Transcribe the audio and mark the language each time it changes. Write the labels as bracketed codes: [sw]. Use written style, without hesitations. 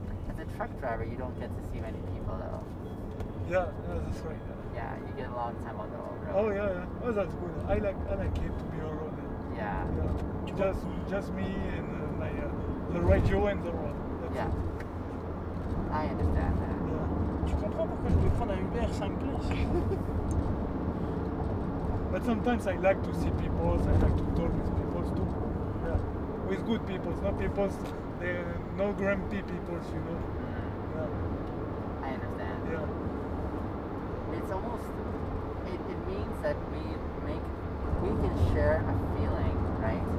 [en] As a truck driver, you don't get to see many people, though. Yeah, that's right. Yeah, you get a long time on the road. Oh, yeah. Oh, that's good. I like it to be on the road. Yeah. Just me and the radio and the road. That's yeah. It. I understand that. [fr] Tu comprends pourquoi je vais prendre un Uber 5 places. [en] But sometimes I like to see people, I like to talk with people too. Yeah. With good people, not people, they're no grumpy people, you know. Mm-hmm. Yeah. I understand. Yeah. It's almost, it means that we can share a feeling, right?